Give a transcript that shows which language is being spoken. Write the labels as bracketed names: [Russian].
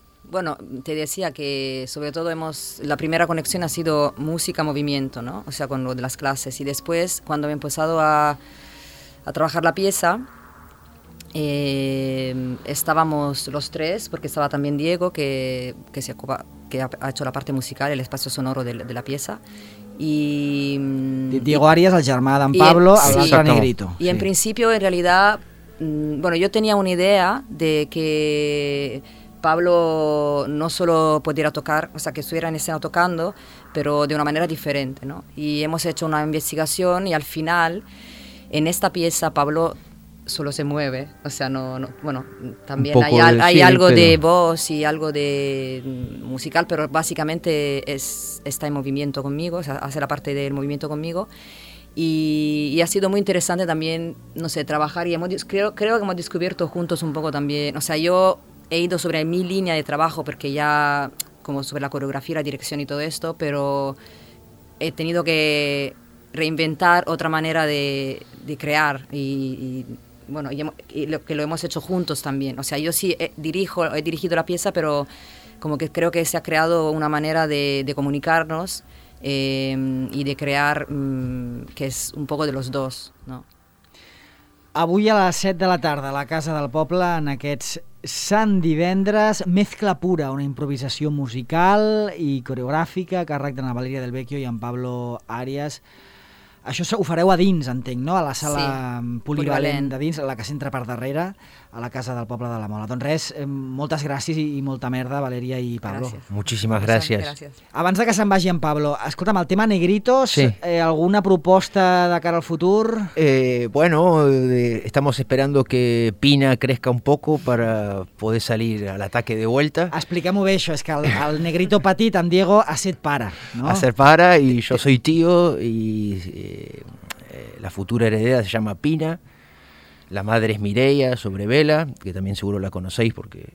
[Spanish] Bueno, te decía que sobre todo la primera conexión ha sido música-movimiento, ¿no? O sea, con lo de las clases. Y después, cuando he empezado a trabajar la pieza, estábamos los tres, porque estaba también Diego, que ha hecho la parte musical, el espacio sonoro de la pieza. Y [Catalan] Diego Arias, el germà d'en Pablo, el altre negrito. [Spanish] Y en principio, en realidad, bueno, yo tenía una idea de que... Pablo no solo pudiera tocar, o sea, que estuviera en escena tocando, pero de una manera diferente, ¿no? Y hemos hecho una investigación y al final, en esta pieza, Pablo solo se mueve. O sea, no bueno, también hay algo de voz y algo de musical, pero básicamente está en movimiento conmigo, o sea, hace la parte del movimiento conmigo. Y ha sido muy interesante también, no sé, trabajar. Y hemos, creo que hemos descubierto juntos un poco también. O sea, yo he ido sobre mi línea de trabajo, porque ya, como sobre la coreografía, la dirección y todo esto, pero he tenido que reinventar otra manera de crear. Y lo hemos hecho juntos también. O sea, yo sí he dirigido la pieza, pero como que creo que se ha creado una manera de comunicarnos. [Catalan] I de crear que és un poc [Spanish] de los dos, [Catalan] no? Avui a les 7 de la tarda a la Casa del Poble, en aquests Sant Divendres, Mezcla Pura, una improvisació musical i coreogràfica, càrrec de la Valeria del Vecchio i en Pablo Arias. Això ho fareu a dins, entenc, no? A la sala polivalent de dins, la que s'entra per darrere, a la Casa del Poble de la Mola. Doncs res, moltes gràcies i molta merda, Valeria i Pablo. Gràcies. Moltíssimes gràcies. Gràcies. Abans de que se'n vagi en Pablo, escolta'm, el tema Negritos, sí. Alguna proposta de cara al futur? [Spanish] Estamos esperando que Pina crezca un poco para poder salir al ataque de vuelta. [Catalan] Explica-m'ho bé, això, és que el Negrito petit, en Diego, ha set pare, no? Ha set pare i jo [Spanish] soy tío [Catalan] i... [Spanish] la futura heredera se llama Pina, la madre es Mireia Sobrevela, que también seguro la conocéis porque...